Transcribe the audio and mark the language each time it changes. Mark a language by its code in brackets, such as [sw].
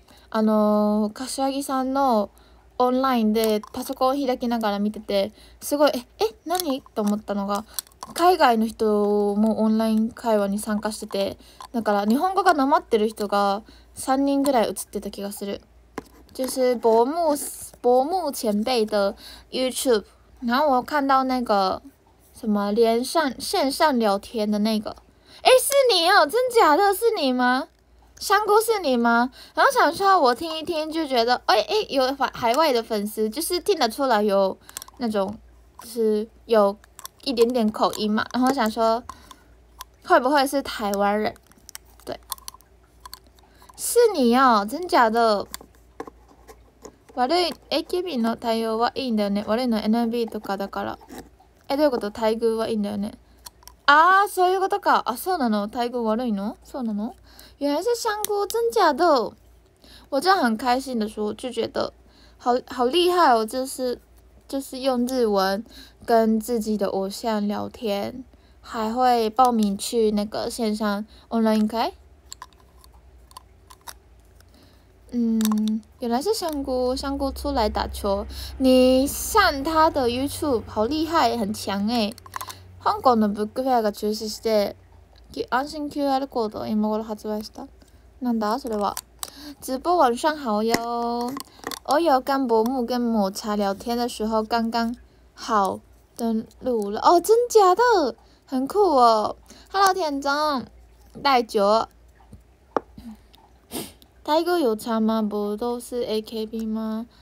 [ja] 柏木さんのオンラインでパソコンを開きながら見てて、すごい、何？と思ったのが、海外の人もオンライン会話に参加してて、だから日本語が訛ってる人が3人ぐらい映ってた気がする。 [zh] 就是伯母前辈的 YouTube，然后我看到那个什么连上线上聊天的那个，是你哦，真假的，是你吗？香菇是你吗？然后想说，我听一听就觉得，有海外的粉丝，就是听得出来有那种，就是有一点点口音嘛。然后想说，会不会是台湾人？是你哦，真假的。 [ja] 悪い、AKB の対応はいいんだよね。悪いのは NMB とかだから。どういうこと？待遇はいいんだよね。ああ、そういうことか。あ、そうなの？待遇悪いの？そうなの？ [zh] 原来是香菇、真假的。我真的很开心的说，就觉得好厉害哦，就是用日文跟自己的偶像聊天，还会报名去那个线上 online 开。嗯，原来是香菇，香菇出来打球。你上他的 YouTube，好厉害，很强诶。 [ja] 香港のブックフェアが中止して、安心 QR コード今頃発売した。なんだそれは。 [zh] 直播晚上好哟。我有跟伯母跟抹茶聊天的时候，刚刚好登录了。哦，真假的，很酷哦。Hello，田中，待久。待遇有差吗？不都是 AKB 吗？